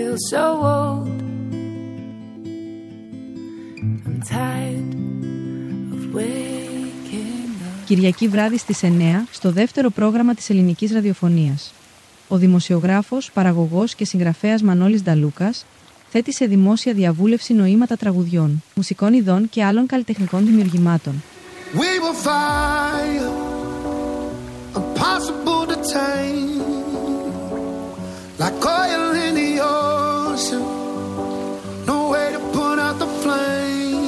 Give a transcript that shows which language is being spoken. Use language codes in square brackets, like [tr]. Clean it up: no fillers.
[en] So old, I'm tired of waking up. [el] Κυριακή βράδυ στις 9, στο δεύτερο πρόγραμμα της ελληνικής ραδιοφωνίας. Ο δημοσιογράφος, παραγωγός και συγγραφέας Μανώλης Νταλούκας θέτει σε δημόσια διαβούλευση νοήματα τραγουδιών, μουσικών ειδών και άλλων καλλιτεχνικών δημιουργημάτων. [en] We will fire, impossible to tame. Like oil in the ocean, no way to put out the flame.